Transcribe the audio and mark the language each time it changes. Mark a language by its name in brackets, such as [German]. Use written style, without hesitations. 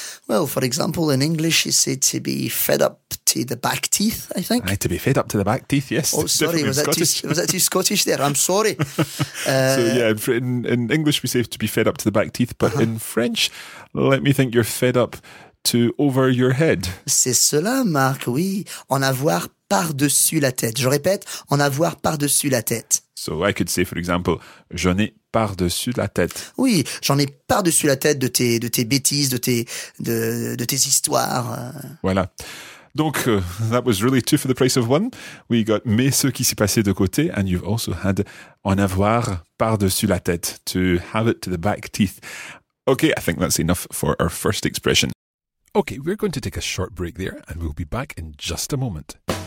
[English] Well, for example, in English you say to be fed up to the back teeth, I think. To be fed up to the back teeth, yes. Oh, sorry, was that too Scottish there? I'm sorry. In English we say to be fed up to the back teeth, but in French, let me think, you're fed up to over your head. [French] C'est cela, Marc, oui. En avoir par-dessus la tête. Je répète, en avoir par-dessus la tête. [English] So I could say, for example, [French] j'en ai par-dessus la tête. Oui, j'en ai par-dessus la tête de tes bêtises, de tes histoires. Voilà. [English] Donc, that was really two for the price of one. We got [French] mais ce qui s'est passé de côté, [English] and you've also had [French] en avoir par-dessus la tête. [English] To have it to the back teeth. Okay, I think that's enough for our first expression. Okay, we're going to take a short break there and we'll be back in just a moment.